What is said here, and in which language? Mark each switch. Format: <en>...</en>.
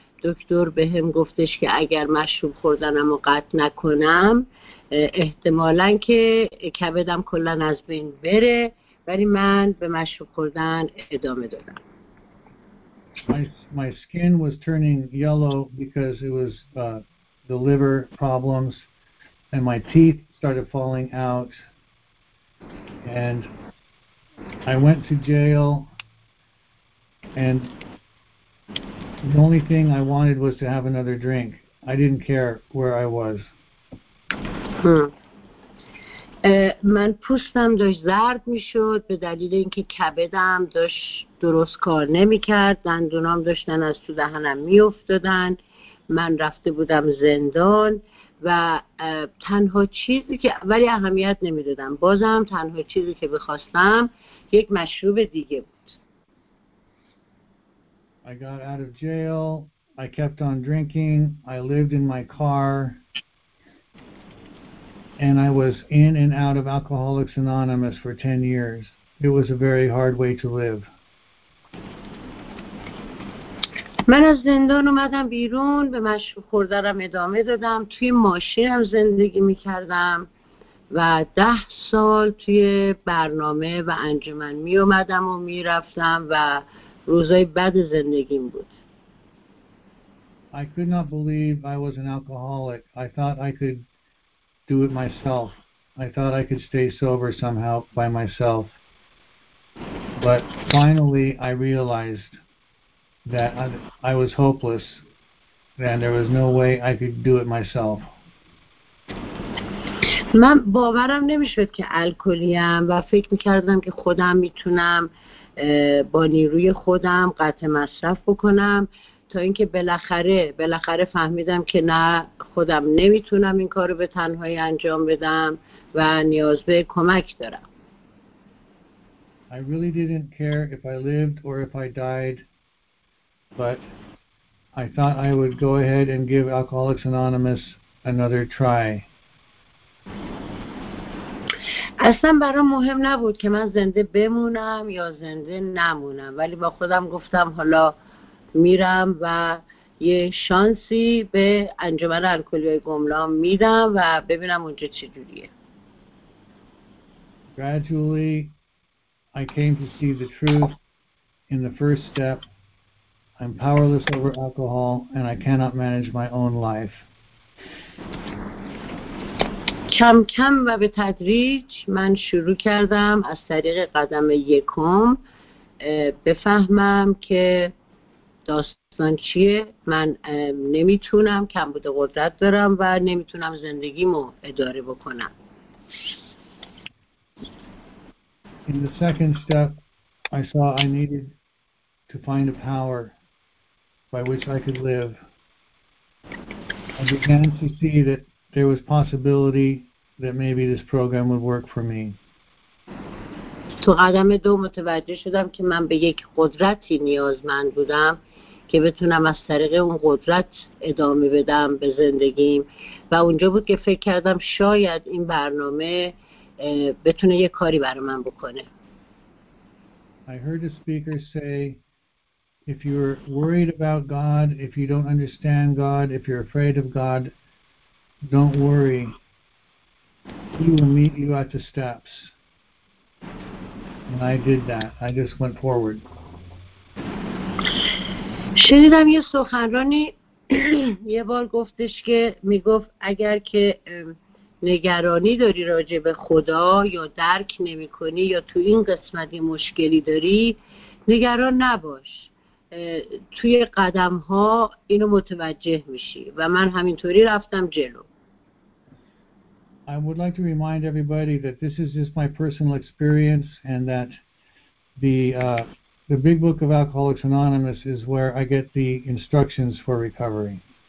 <fa>دکتر به هم گفتش که اگر مشروب خوردنم رو قطع نکنم احتمالاً که کبدم کلن از بین بره، ولی من به مشروب خوردن ادامه دادم.</fa> <en>My skin was turning yellow because it was the liver problems, and my teeth started falling out, and I went to jail, and the only thing I wanted was to have another drink. I didn't care where I was.</en> <fa>من پوستم داشت زرد می شد به دلیل اینکه کبدم داشت درست کار نمی کرد، دندونام داشتن از تو دهنم می افتادن، من رفته بودم زندان و تنها چیزی که ولی اهمیت نمی دادم، بازم تنها چیزی که بخواستم یک مشروب دیگه بود.</fa> <en>I got out of jail. I kept on drinking. I lived in my car. And I was in and out of Alcoholics Anonymous for 10 years. It was a very hard way to live.</en> <fa>من از زندان اومدم بیرون، به مشروب خوردنم ادامه دادم، توی ماشینم زندگی میکردم و 10 سال توی برنامه و انجمن میومدم و میرفتم و روزای بد زندگیم بود.</fa> <en>I could not believe I was an alcoholic. I thought I could do it myself. I thought I could stay sober somehow by myself. But finally I realized that I was hopeless and there was no way I could do it myself.</en> <fa>من باورم نمیشد که الکلیم و فکر میکردم که خودم میتونم با نیروی خودم قطع مصرف بکنم، تا اینکه بالاخره فهمیدم که نه، خودم نمیتونم این کارو به تنهایی انجام بدم و نیاز به کمک دارم.</fa> <en>I really didn't care if I lived or if I died, but I thought I would go ahead and give Alcoholics Anonymous another try.</en> <fa>اصلا برام مهم نبود که من زنده بمونم یا زنده نمونم، ولی با خودم گفتم حالا میرم و یه شانسی به انجمن الکلی‌های گمنام میدم و ببینم اونجا چه جوریه.</fa> <en>Gradually I came to see the truth. In the first step, I'm powerless over alcohol and I cannot manage my own life.</en> <fa>کم کم و به تدریج من شروع کردم از طریق قدم یکم بفهمم که داستان چیه. من نمیتونم، کمبود قدرت دارم و نمیتونم زندگیمو اداره بکنم.</fa> <en>In the second step, I saw I needed to find a power by which I could live. I began to see that there was possibility that maybe this program would work for me.</en> <fa>تو قدم دو متوجه شدم که من به یک قدرتی نیازمند بودم که بتونم از طریق اون قدرت ادامه بدم به زندگیم و اونجا بود که فکر کردم شاید این برنامه بتونه یک کاری برای من بکنه.</fa> <en>I heard a speaker say, if you're worried about God, if you don't understand God, if you're afraid of God, don't worry. He will meet you at the steps. And I did that. I just went forward.</en> <fa>شنیدم یه سخنرانی یه بار گفتش که میگفت اگر که نگرانی داری راجع به خدا یا درک نمی کنی یا تو این قسمتی مشکلی داری نگران نباش توی قدم ها اینو متوجه میشی و من همینطوری رفتم جلو.</fa> <en>I would like to remind everybody that this is just my personal experience and that the Big Book of Alcoholics Anonymous is where I get the instructions for recovery.</en>